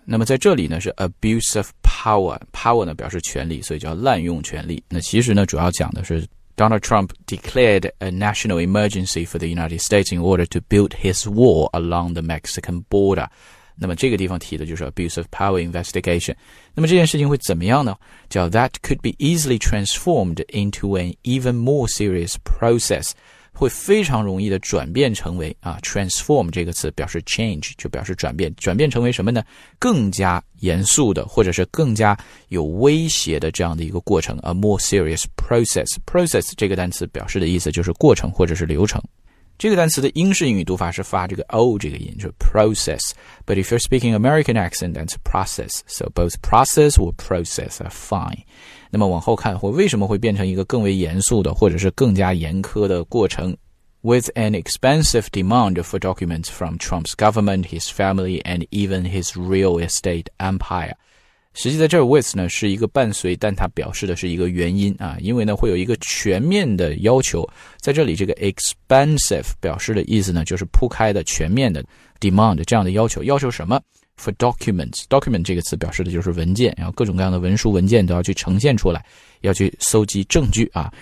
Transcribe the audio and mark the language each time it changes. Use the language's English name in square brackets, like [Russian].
[Chinese] 那么在这里呢是 abuse of power 呢表示权力，所以叫滥用权力。那其实呢主要讲的是 [English] Donald Trump declared a national emergency for the United States in order to build his wall along the Mexican border。 [Chinese] 那么这个地方提的就是 abuse of power investigation。那么这件事情会怎么样呢？ [English] 叫 that could be easily transformed into an even more serious process。 [Chinese] 会非常容易的转变成为啊 transform 这个词表示 change， 就表示转变，转变成为什么呢？更加严肃的或者是更加有威胁的这样的一个过程， [English] a more serious process。 [Chinese] process 这个单词表示的意思就是过程或者是流程。这个单词的英式英语读法是发这个 O 这个音，就是 process， [English] but if you're speaking American accent that's process， so both process or process are fine。 [Chinese] 那么往后看会为什么会变成一个更为严肃的或者是更加严苛的过程。 [English] With an expensive demand for documents from Trump's government, his family, and even his real estate empire。 [Chinese] 实际在这儿 with 呢是一个伴随，但它表示的是一个原因啊，因为呢会有一个全面的要求。在这里这个 expensive 表示的意思呢就是铺开的全面的 demand， 这样的要求。要求什么？ For documents， document 这个词表示的就是文件，然后各种各样的文书文件都要去呈现出来，要去搜集证据啊。